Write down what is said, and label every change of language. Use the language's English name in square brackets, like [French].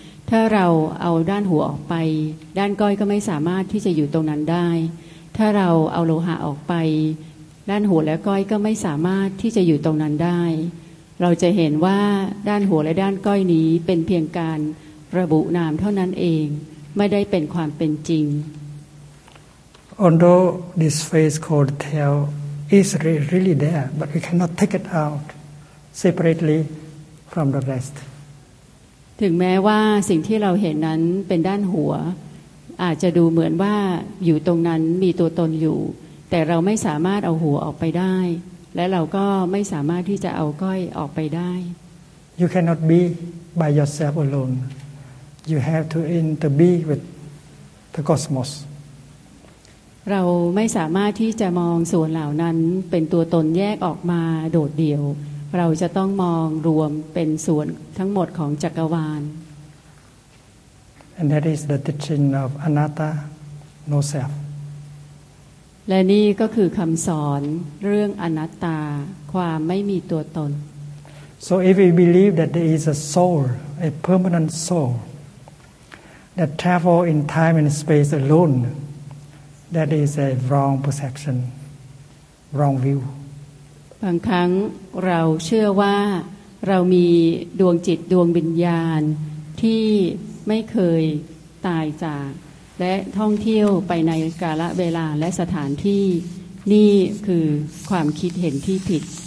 [Thai] ถ้าเราเอาด้านหัวออกไปด้านก้อยก็ไม่สามารถที่จะอยู่ตรงนั้นได้ถ้าเราเอาโลหะออกไปด้านหัวและก้อยก็ไม่สามารถที่จะอยู่ตรงนั้นได้เราจะเห็นว่าด้านหัวและด้านก้อยนี้เป็นเพียงการระบุนามเท่านั้นเองไม่ได้เป็นความเป็นจริง [English] Although this face called tail is really there but we cannot take it out separately from the rest [Thai] ถึงแม้ว่าสิ่งที่เราเห็นนั้นเป็นด้านหัวอาจจะดูเหมือนว่าอยู่ตรงนั้นมีตัวตนอยู่แต่เราไม่สามารถเอาหัวออกไปได้และเราก็ไม่สามารถที่จะเอาก้อยออกไปได้ [English] You cannot be by yourself alone. You have to interbeing with the cosmos. [Thai] เราไม่สามารถที่จะมองส่วนเหล่านั้นเป็นตัวตนแยกออกมาโดดเดี่ยวเราจะต้องมองรวมเป็นส่วนทั้งหมดของจักรวาล [English] And that is the teaching of anatta, no self. [Thai] และนี่ก็คือคำสอนเรื่องอนัตตาความไม่มีตัวตน [English] So if we believe that there is a soul, a permanent soul that travel in time and space alone, that is a wrong perception, wrong view. [Thai] บางครั้งเราเชื่อว่าเรามีดวงจิตดวงวิญญาณที่ไม่เคยตายจากและท่องเที่ยวไปในกาลเวลาและสถานที่นี่คือความคิดเห็นที่ผิด